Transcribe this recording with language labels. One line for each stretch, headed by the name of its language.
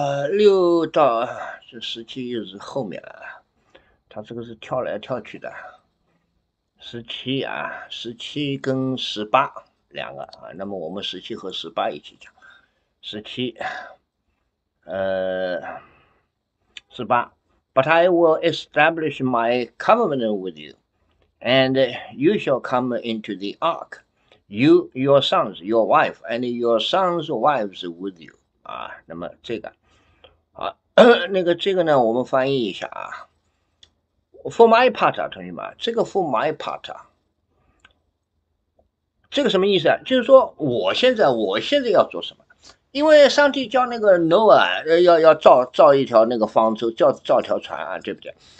Chinese: 六到这十七又是后面了，它这个是跳来跳去的。十七啊，十七跟十八两个啊，那么我们十七和十八一起讲。十七，十八。
English: But I will establish my covenant with you, and you shall come into the ark, you, your sons, your wife, and your sons' wives with you.
Chinese: 啊，那么这个，啊，那个这个呢，我们翻译一下啊。
English: For my part
Chinese: 啊，同学们，这个
English: for my part
Chinese: 啊，这个什么意思啊？就是说我现在要做什么？因为上帝叫那个 Noah 要造一条那个方舟，造条船啊，对不对？